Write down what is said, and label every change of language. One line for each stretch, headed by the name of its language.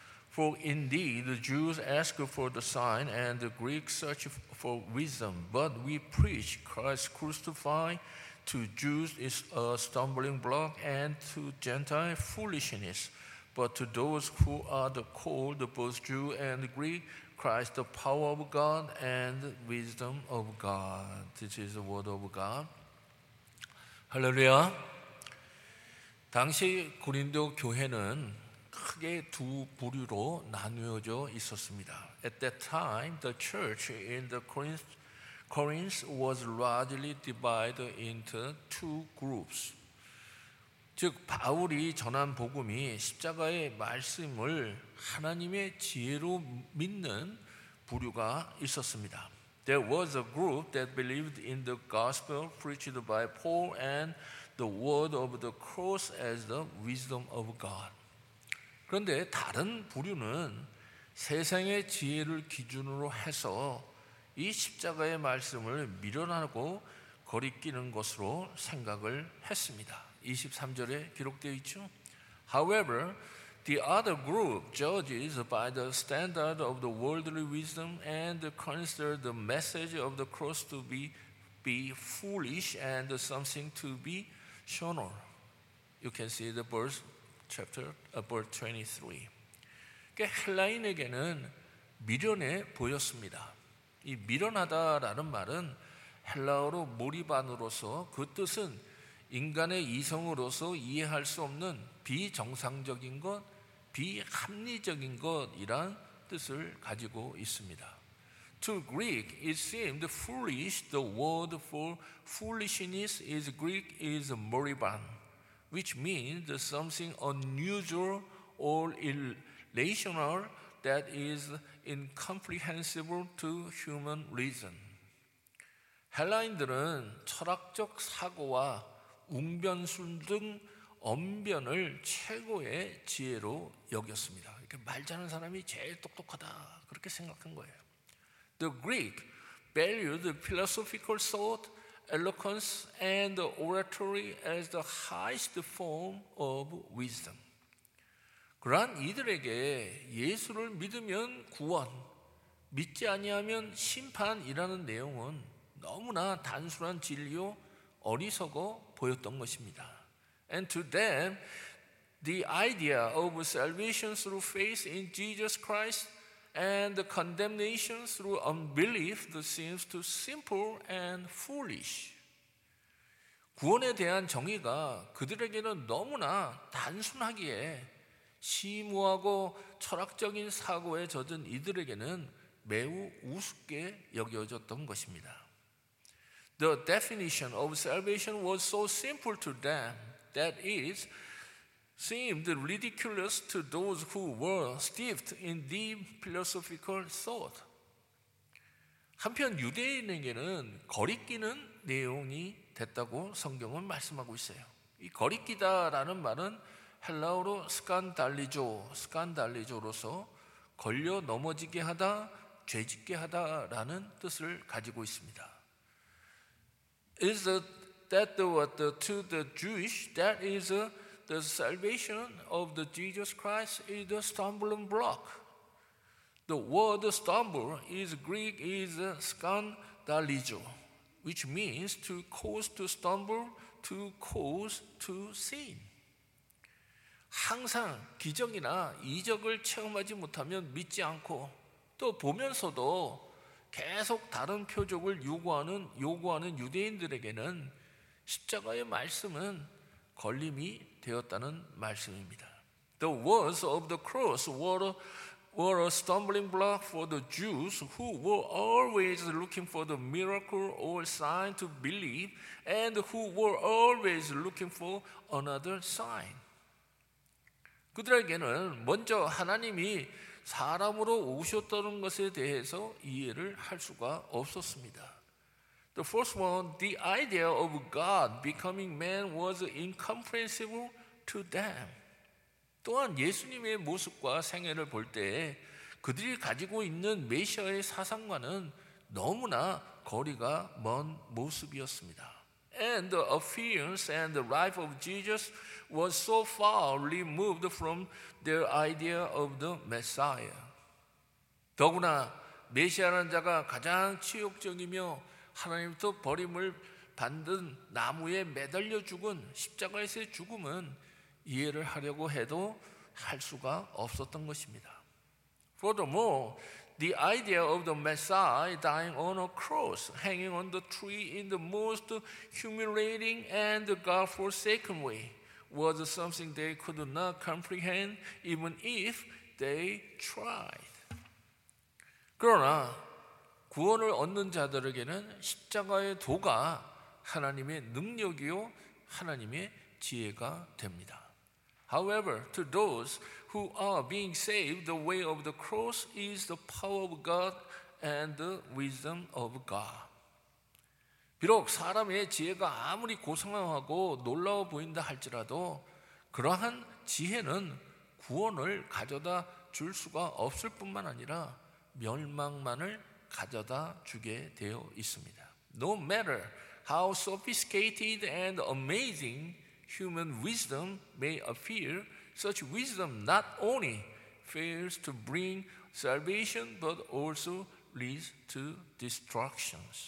English: For indeed the Jews ask for the sign and the Greeks search for wisdom, but we preach Christ crucified, to Jews is a stumbling block and to Gentile foolishness. But to those who are the called, both Jew and Greek, Christ the power of God and wisdom of God. This is the word of God. 할렐루야.
Korean: 당시 고린도 교회는 크게 두 부류로 나누어져 있었습니다.
English: At that time, the church in the Corinth was largely divided into two groups.
Korean: 즉 바울이 전한 복음이 십자가의 말씀을 하나님의 지혜로 믿는 부류가 있었습니다.
English: There was a group that believed in the gospel preached by Paul and the word of the cross as the wisdom of God.
Korean: 그런데 다른 부류는 세상의 지혜를 기준으로 해서 이 십자가의 말씀을 미련하고 거리끼는 것으로 생각을 했습니다. 23절에 기록되어 있죠.
English: However, the other group judges by the standard of the worldly wisdom and consider the message of the cross to be foolish and something to be shown on. You can see the verse chapter verse 23.
Korean: 헬라인에게는 미련해 보였습니다. 이 미련하다라는 말은 헬라어로 몰입안으로서 그 뜻은 인간의 이성으로서 이해할 수 없는 비정상적인 것, 비합리적인 것이란 뜻을 가지고 있습니다.
English: To Greek, it seemed foolish. The word for foolishness is Greek is moribund, which means something unusual or irrational that is incomprehensible to human reason.
Korean: 헬라인들은 철학적 사고와 웅변술 등 언변을 최고의 지혜로 여겼습니다. 그러니까 말 잘하는 사람이 제일 똑똑하다 그렇게 생각한 거예요.
English: The Greek valued philosophical thought, eloquence, and oratory as the highest form of wisdom.
Korean: 그러한 이들에게 예수를 믿으면 구원, 믿지 아니하면 심판이라는 내용은 너무나 단순한 진리요 어리석어 보였던 것입니다.
English: And to them, the idea of salvation through faith in Jesus Christ and the condemnation through unbelief seems too simple and foolish.
Korean: 구원에 대한 정의가 그들에게는 너무나 단순하기에 심오하고 철학적인 사고에 젖은 이들에게는 매우 우습게 여겨졌던 것입니다.
English: The definition of salvation was so simple to them that it seemed ridiculous to those who were steeped in deep philosophical thought.
Korean: 한편 유대인에게는 거리끼는 내용이 됐다고 성경은 말씀하고 있어요. 이 거리끼다라는 말은 헬라어로 스칸달리조로서 걸려 넘어지게 하다, 죄짓게 하다라는 뜻을 가지고 있습니다.
English: Is that to the Jewish that is the salvation of the Jesus Christ is the stumbling block. The word stumble is Greek is skandalizo, which means to cause to stumble, to cause to sin.
Korean: 항상 기적이나 이적을 체험하지 못하면 믿지 않고 또 보면서도 계속 다른 표적을 요구하는 유대인들에게는 십자가의 말씀은 걸림이 되었다는 말씀입니다.
English: The words of the cross were were a stumbling block for the Jews who were always looking for the miracle or sign to believe and who were always looking for another sign.
Korean: 그들에게는 먼저 하나님이 사람으로 오셨다는 것에 대해서 이해를 할 수가 없었습니다.
English: The first one, the idea of God becoming man was incomprehensible to them.
Korean: 또한 예수님의 모습과 생애를 볼 때 그들이 가지고 있는 메시아의 사상과는 너무나 거리가 먼 모습이었습니다.
English: And the appearance and the life of Jesus was so far removed from their idea of the Messiah.
Korean: 더구나 메시아라는 자가 가장 치욕적이며 하나님부터 버림을 받은 나무에 매달려 죽은 십자가에서의 죽음은 이해를 하려고 해도 할 수가 없었던 것입니다.
English: Furthermore, the idea of the Messiah dying on a cross, hanging on the tree in the most humiliating and God-forsaken way was something they could not comprehend even if they tried.
Korean: 그러나 구원을 얻는 자들에게는 십자가의 도가 하나님의 능력이요 하나님의 지혜가 됩니다.
English: However, to those who are being saved, the way of the cross is the power of God and the wisdom of God.
Korean: 비록 사람의 지혜가 아무리 고상하고 놀라워 보인다 할지라도 그러한 지혜는 구원을 가져다 줄 수가 없을 뿐만 아니라 멸망만을 가져다 주게 되어 있습니다.
English: No matter how sophisticated and amazing human wisdom may appear, such wisdom not only fails to bring salvation but also leads to destruction.